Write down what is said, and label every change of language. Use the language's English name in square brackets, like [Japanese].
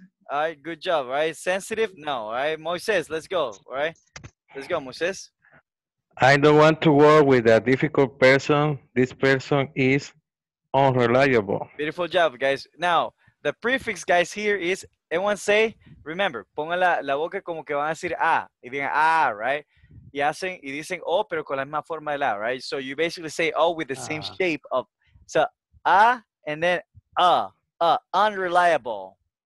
[English] Alright, good job, right? Sensitive? No, alright, Moises, let's go, alright? Let's go, Moises. I don't want to work with a difficult person. This person is unreliable. Beautiful job, guys. Now, the prefix, guys, here is, everyone say, [Spanish] Remember, pongan la boca como que van a decir ah, y digan ah, right? Y hacen, y dicen oh, pero con la misma forma de la, right? [English] So you basically say oh with the same shape of, so ah, and then unreliable.